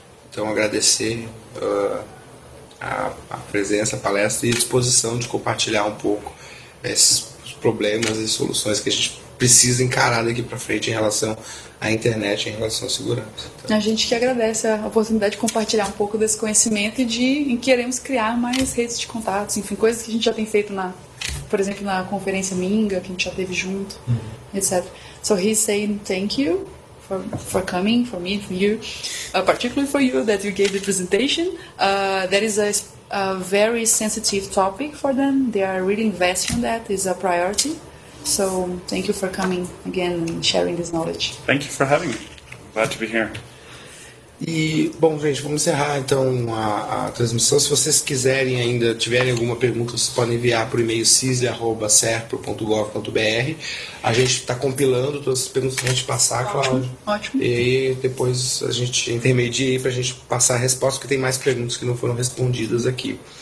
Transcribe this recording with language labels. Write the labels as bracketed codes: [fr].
[pt] Então, agradecer a presença, a palestra e a disposição de compartilhar um pouco esses problemas e soluções que a gente precisa encarar daqui para frente em relação à internet, em relação à segurança. Então, a gente que agradece a oportunidade de compartilhar um pouco desse conhecimento e queremos criar mais redes de contatos, enfim, coisas que a gente já tem feito, por exemplo, na conferência Minga, que a gente já teve junto, etc. [en] So he's saying thank you for coming, for me, for you, particularly for you, that you gave the presentation. That is a very sensitive topic for them. They are really investing in that, it's a priority. So thank you for coming again and sharing this knowledge. Thank you for having me. Glad to be here. [pt] E, bom, gente, vamos encerrar então a transmissão. Se vocês quiserem ainda, tiverem alguma pergunta, vocês podem enviar para o e-mail cisle@serpro.gov.br. A gente está compilando todas as perguntas para a gente passar, Cláudio. Ótimo. E depois a gente intermedia aí para a gente passar a resposta, porque tem mais perguntas que não foram respondidas aqui.